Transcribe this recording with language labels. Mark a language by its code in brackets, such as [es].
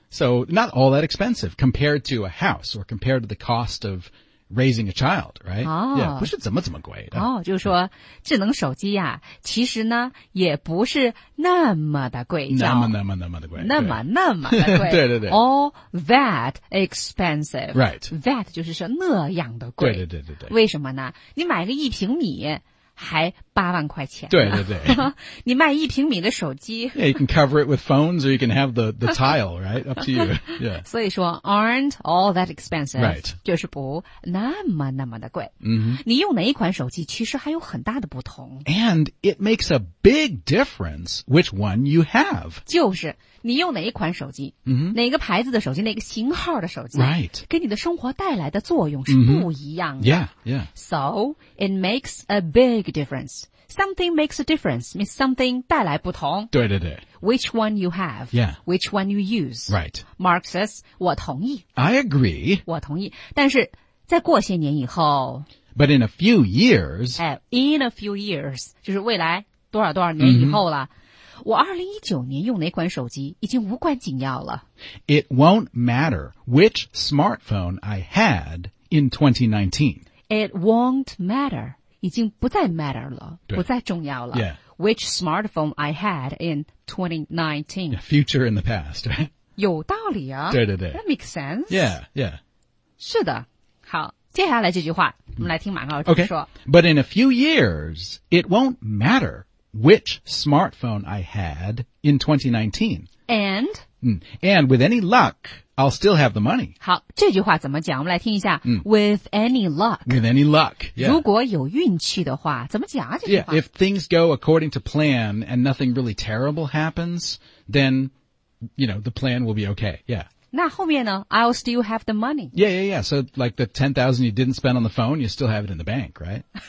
[en] So not all that expensive compared to a house or compared to the cost of raising a child, right?、Yeah, [zh] 不是怎么怎么贵的。就是说智能手机啊其实呢也不是那么的贵。那么的贵。对对对。 [en] All that expensive. Right. That [zh] 就是说那样的贵。对对对对对。为什么呢你买个一平米还8万块钱。对对对。你卖一平米的手机。 [en] Yeah, you can cover it with phones or you can have the tile, right? Up to you. Yeah. [zh] 所以说 [en] aren't all that expensive. Right. [zh] 就是不那么那么的贵。 Mm-hmm. 你用哪一款手机其实还有很大的不同。 [en] And it makes a big difference which one you have. [zh] 就是你用哪一款手机、 mm-hmm. 哪个牌子的手机哪个型号的手机、 [en] right. [zh] 给你的生活带来的作用是不一样的。 [en] Mm-hmm. Yeah, yeah. So, it makes a big difference. Something makes a difference means something [zh] 带来不同。对对对。 [en] Which one you have,、 yeah. which one you use. Right. Mark says, [zh] 我同意。 [en] I agree. [zh] 我同意。但是在过些年以后。 [en] But in a few years. In a few years, [zh] 就是未来多少多少年以后了。Mm-hmm. 我2019年用哪款手机已经无关紧要了。 [en] It won't matter which smartphone I had in 2019. It won't matter. [zh] 已经不再 matter 了。不再重要了。 [en] Yeah. Which smartphone I had in 2019. Yeah, future in the past. [zh] 有道理啊。对对对。 [en] That makes sense. Yeah, yeah. [zh] 是的。好。接下来这句话我们来听马高老师说。 [en] Okay. But in a few years, it won't matter. Which smartphone I had in 2019. And with any luck, I'll still have the money. [zh] 好，这句话怎么讲？我们来听一下。 [en] With any luck. With any luck.、Yeah. [zh] 如果有运气的话，怎么讲啊？这句话。 [en] Yeah, if things go according to plan and nothing really terrible happens, then, you know, the plan will be okay. Yeah. [zh] 那后面呢 [en] I'll still have the money. Yeah, yeah, yeah. So like the $10,000 you didn't spend on the phone, you still have it in the bank, right?